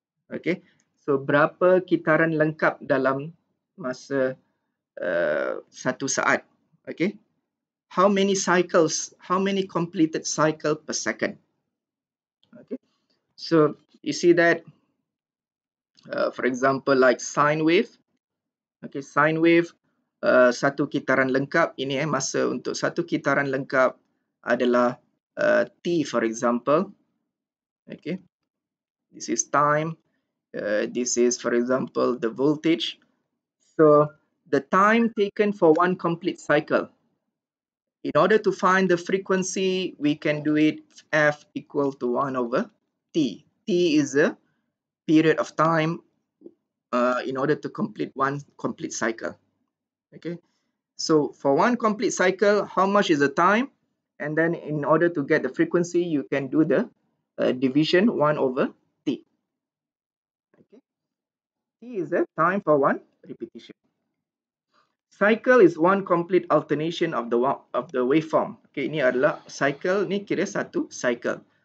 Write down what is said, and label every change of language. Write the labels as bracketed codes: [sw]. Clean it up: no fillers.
[ms] Okay. So berapa kitaran lengkap dalam masa satu saat. Okay. [en] How many cycles, how many completed cycle per second? Okay. So you see that, for example, like sine wave. [ms] Okay, sine wave, satu kitaran lengkap. Ini masa untuk satu kitaran lengkap adalah T, [en] for example. Okay. This is time. This is, for example, the voltage. So the time taken for one complete cycle. In order to find the frequency, we can do it F equal to 1 over T. T is a period of time in order to complete one complete cycle. Okay. So for one complete cycle, how much is the time? And then in order to get the frequency, you can do the division 1 over T. Okay. T is the time for one repetition. Cycle is one complete alternation of the waveform. [ms] Okay, ini adalah cycle, ni kira satu cycle.